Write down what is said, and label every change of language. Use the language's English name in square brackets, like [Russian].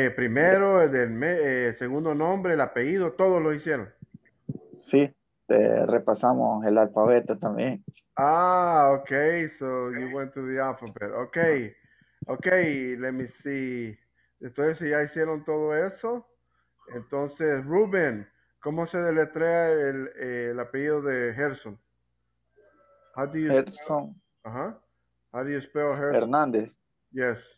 [Spanish] Primero, el del segundo nombre, el apellido, todos lo hicieron. Sí, repasamos el alfabeto también. [English] Ah, okay, so you went to the alphabet. Okay, okay, let me see. [Spanish] Entonces, si ya hicieron todo eso, entonces, Ruben, ¿cómo se deletrea el apellido de Gerson? [English] How do you Gerson. Uh-huh. How do you spell Gerson? Hernández. Yes.